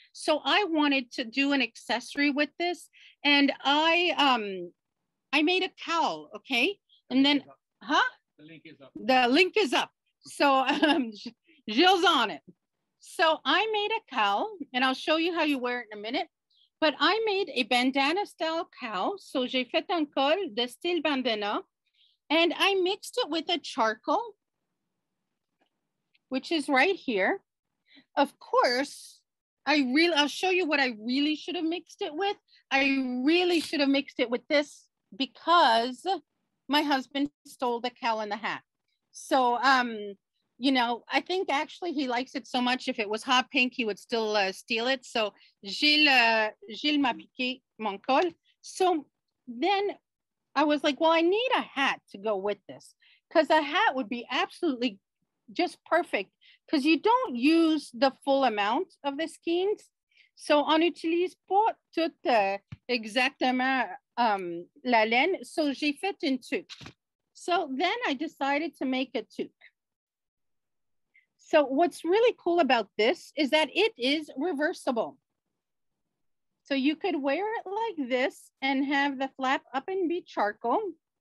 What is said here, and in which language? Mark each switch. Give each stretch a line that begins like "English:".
English: So I wanted to do an accessory with this. And I made a cowl, okay? And then, huh? The link is up. The link is up. So Jill's on it. So I made a cowl, and I'll show you how you wear it in a minute. But I made a bandana style cowl.
French: So j'ai fait un col de style bandana.
English: And I mixed it with a charcoal, which is right here. Of course, I'll show you what I really should have mixed it with. I really should have mixed it with this because my husband stole the cowl and the hat. So, you know, I think actually he likes it so much. If it was hot pink, he would still steal it. So
French: Gilles m'a piqué mon col.
English: So then I was like, well, I need a hat to go with this because a hat would be absolutely just perfect because you don't use the full amount of the skeins.
French: So on utilise pas tout exactement la laine. So j'ai fait une toque.
English: So then I decided to make a toque. So what's really cool about this is that it is reversible. So you could wear it like this and have the flap up and be charcoal.